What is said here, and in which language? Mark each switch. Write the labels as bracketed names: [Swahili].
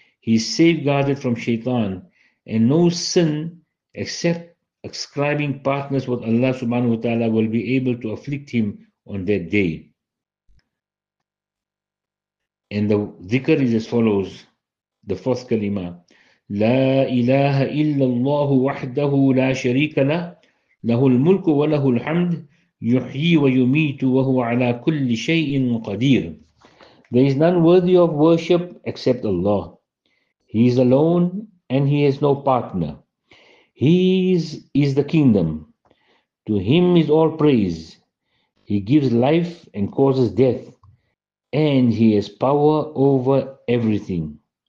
[English] He is safeguarded from shaitan, and no sin except ascribing partners with Allah subhanahu wa ta'ala will be able to afflict him on that day. And the dhikr is as follows, the fourth kalima. [Arabic] لا إله إلا الله وحده لا شريك له له الملك وله الحمد يحيي ويميت وهو على كل شيء قدير. [English] There is none worthy of worship except Allah. He is alone and he has no partner. He is the kingdom. To him is all praise. He gives life and causes death. And he has power over everything.